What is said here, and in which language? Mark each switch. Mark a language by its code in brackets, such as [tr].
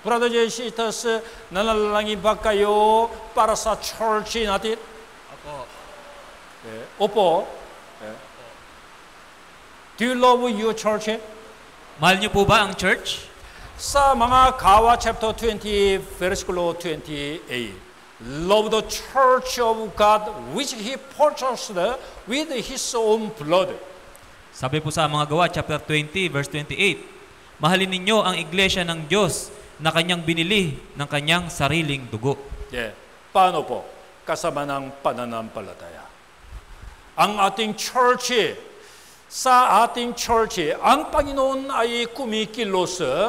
[en] Brothers and sisters, [tl] nanalangin ba kayo para sa church natin? Opo. Opo. [en] Do you love your church? [tl] Mahal niyo po ba ang church? Sa mga Gawa chapter 20, versículo 28. [en] Love the church of God which He purchased with His own blood. [tl] Sabi po sa mga Gawa chapter 20, verse 28. Mahalin ninyo ang iglesia ng Diyos na kanyang binili ng kanyang sariling dugo. Yeah. Paano po? Kasama ng pananampalataya. Ang ating church, sa ating church, ang Panginoon ay kumikilos.